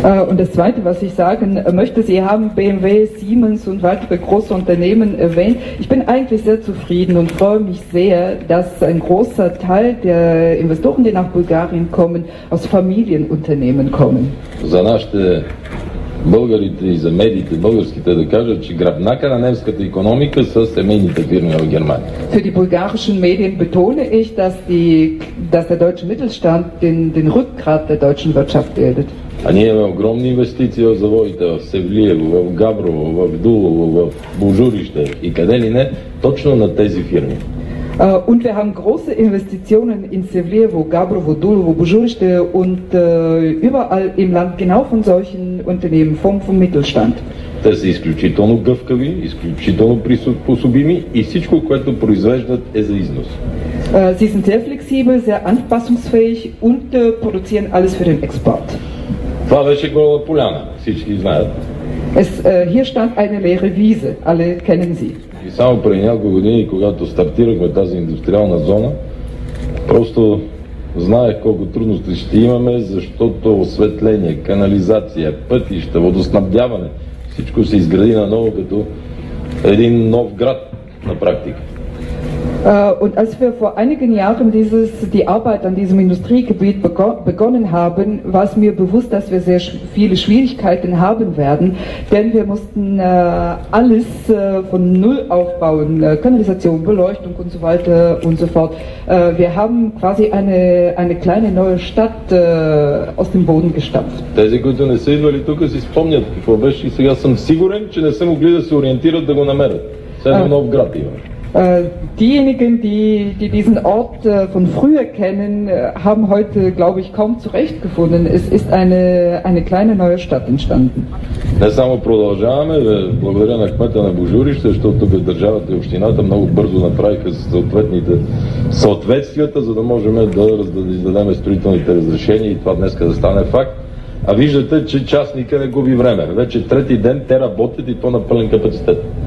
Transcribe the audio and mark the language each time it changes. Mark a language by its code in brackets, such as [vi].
[de] Und das Zweite, was ich sagen möchte, Sie haben BMW, Siemens und weitere große Unternehmen erwähnt. Ich bin eigentlich sehr zufrieden und freue mich sehr, dass ein großer Teil der Investoren, die nach Bulgarien kommen, aus Familienunternehmen kommen. [bg] За нашите българите и за медиите българските да кажат, че гръбнака на немската икономика са семейните фирми в Германия. [de] Für die bulgarischen Medien betone ich, dass der deutsche Mittelstand den Rückgrat der deutschen Wirtschaft bildet. [bg] А ние имаме огромни инвестиции в заводите в Севлиево, в Габрово, в Дулово, в Бужурище и къде ли не, точно на тези фирми. [de] Und wir haben große Investitionen in Sevljevo, Gabrovo, Dulovo, Bujurište und überall im Land genau von solchen Unternehmen, vom Mittelstand. [bg] Те са изключително гъвкави, изключително приспособими и всичко, което произвеждат, е за износ. [de] Sie sind sehr flexibel, sehr anpassungsfähig und produzieren alles für den Export. [bg] Това беше гола поляна, всички знаят. [de] Hier stand eine leere Wiese, alle kennen sie. [bg] И само преди няколко години, когато стартирахме тази индустриална зона, просто знаех колко трудности ще имаме, защото осветление, канализация, пътища, водоснабдяване, всичко се изгради наново като един нов град на практика. [de] Und als wir vor einigen Jahren die Arbeit an diesem Industriegebiet begonnen haben, war es mir bewusst, dass wir sehr viele Schwierigkeiten haben werden, denn wir mussten alles von Null aufbauen, Kanalisation, Beleuchtung und so weiter und so fort. Wir haben quasi eine kleine neue Stadt aus dem Boden gestampft. [bg] Тези, които не са идвали тук, си спомнят какво беше и сега съм сигурен, че не са могли да се ориентират да го намерят. Сега нов град имаме. [de] Diejenigen, die diesen Ort von früher kennen, haben heute, glaube ich, kaum zurechtgefunden. Es ist eine kleine neue Stadt entstanden. [bg] Не само продължаваме, благодаря на кмета на Божурище, защото бе държавата и общината много бързо направиха съответните съответствията, за да можем да издадем строителните разрешения и това днес да стане факт. А виждате, че частника не губи време. Вече трети ден те работят и то на пълен капацитет.